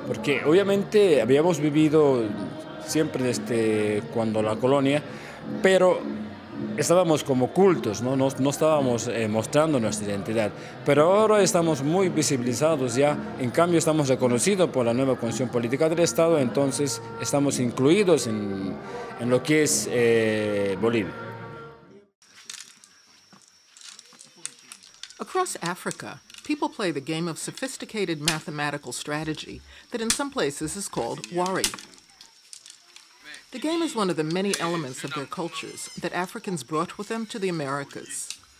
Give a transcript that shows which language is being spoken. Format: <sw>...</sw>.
<es>Porque obviamente habíamos vivido siempre desde cuando la colonia, pero</es> <pt>estávamos como ocultos, não, não estávamos mostrando nossa identidade. Pero agora estamos muito visibilizados já, em cambio estamos reconhecidos</pt> <es>por la nueva</es> <pt>condição política do Estado, então estamos incluídos em lo que é Bolívia.</pt> <en>Across Africa, people play the game of sophisticated mathematical strategy that in some places is called wari. The game is one of the many elements of their cultures that Africans brought with them to the Americas.</en>